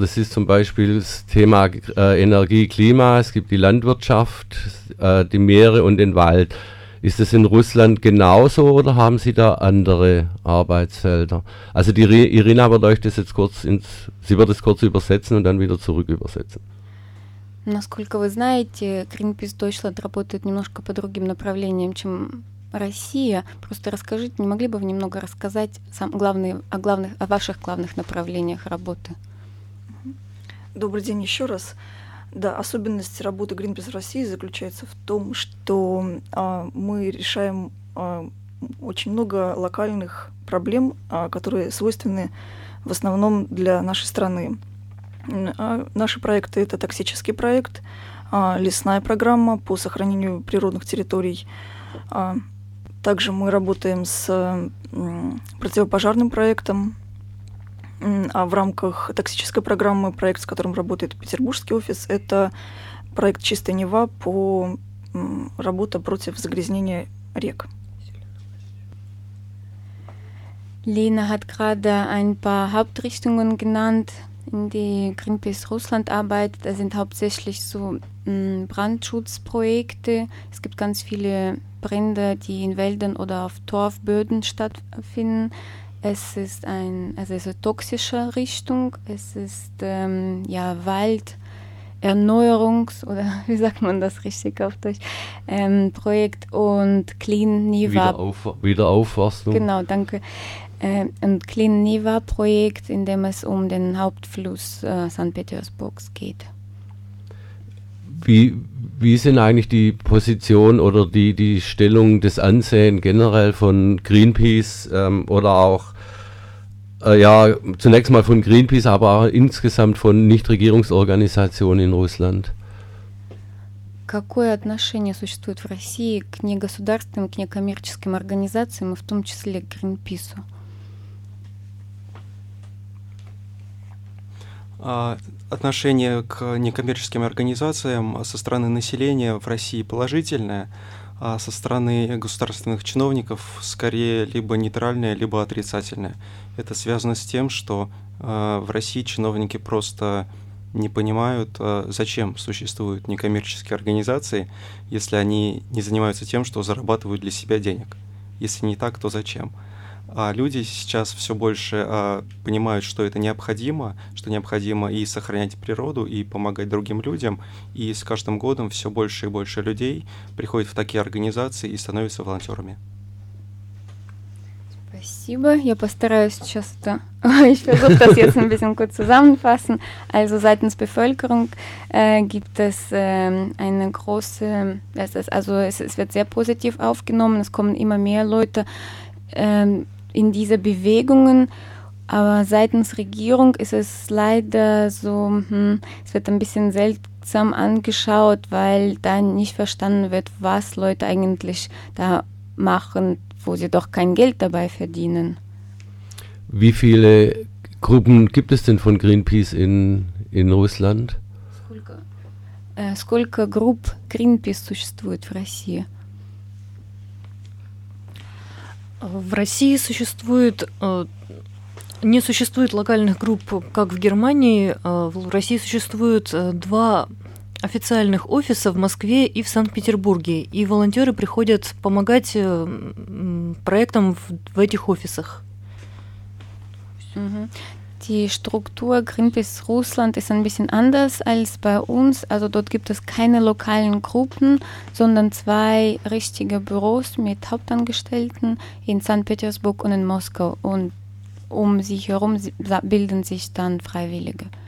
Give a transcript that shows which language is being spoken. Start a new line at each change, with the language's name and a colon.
German: Das ist zum Beispiel das Thema Energie, Klima, es gibt die Landwirtschaft, die Meere und den Wald. Ist das in Russland genauso oder haben Sie da andere Arbeitsfelder? Also die Irina wird euch das jetzt kurz sie wird es kurz übersetzen und dann wieder zurück übersetzen.
Russian: Насколько вы знаете, Greenpeace Deutschland работает немножко по другим направлениям, чем Россия. Просто расскажите, не могли бы вы немного рассказать о ваших главных направлениях работы? Добрый день еще раз. Да, особенность работы Greenpeace России заключается в том, что мы решаем очень много локальных проблем, которые свойственны в основном для нашей страны. Наши проекты — это токсический проект, лесная программа по сохранению природных территорий. Также мы работаем с противопожарным проектом, а в рамках токсической программы проект, с которым работает петербургский офис, это проект «Чистая Нева» по работе против загрязнения рек.
German: Lena hat gerade ein paar Hauptrichtungen genannt, in die Greenpeace Russland arbeitet. Das sind hauptsächlich so Brandschutzprojekte. Es gibt ganz viele Brände, die in Wäldern oder auf Torfböden stattfinden. Es ist ein, also es ist eine toxische Richtung. Es ist Walderneuerungs- oder wie sagt man das richtig auf Deutsch? Projekt und Clean Niva. Wiederaufforstung. Genau, danke. Ein Clean Niva Projekt, in dem es um den Hauptfluss St. Petersburgs geht. Wie ist denn eigentlich die Position oder die Stellung, des Ansehen generell von Greenpeace oder auch zunächst mal von Greenpeace, aber auch insgesamt von Nichtregierungsorganisationen in Russland?
Russian: Какое отношение существует в России к негосударственным, к некоммерческим организациям, в том числе к Greenpeace? Отношение к некоммерческим организациям со стороны населения в России положительное, а со стороны государственных чиновников скорее либо нейтральное, либо отрицательное. Это связано с тем, что в России чиновники просто не понимают, зачем существуют некоммерческие организации, если они не занимаются тем, что зарабатывают для себя денег. Если не так, то зачем? А люди сейчас все больше понимают, что это необходимо, что необходимо и сохранять природу, и помогать другим людям. И с каждым годом все больше и больше людей приходит в такие организации и становятся волонтерами. Спасибо. Я постараюсь сейчас это...
German: Ich versuche das jetzt ein bisschen kurz zusammenfassen. Also seitens Bevölkerung gibt es eine große... Es wird sehr positiv aufgenommen. Es kommen immer mehr Leute... in diese Bewegungen, aber seitens Regierung ist es leider so, es wird ein bisschen seltsam angeschaut, weil da nicht verstanden wird, was Leute eigentlich da machen, wo sie doch kein Geld dabei verdienen. Wie viele Gruppen gibt es denn von Greenpeace in Russland?
Russian: Сколько групп Greenpeace существует в России? В России существует, не существует локальных групп, как в Германии. В России существует два официальных офиса в Москве и в Санкт-Петербурге. И волонтеры приходят помогать проектам в этих офисах.
German: Die Struktur Greenpeace Russland ist ein bisschen anders als bei uns. Also dort gibt es keine lokalen Gruppen, sondern zwei richtige Büros mit Hauptangestellten in St. Petersburg und in Moskau. Und um sie herum bilden sich dann Freiwillige.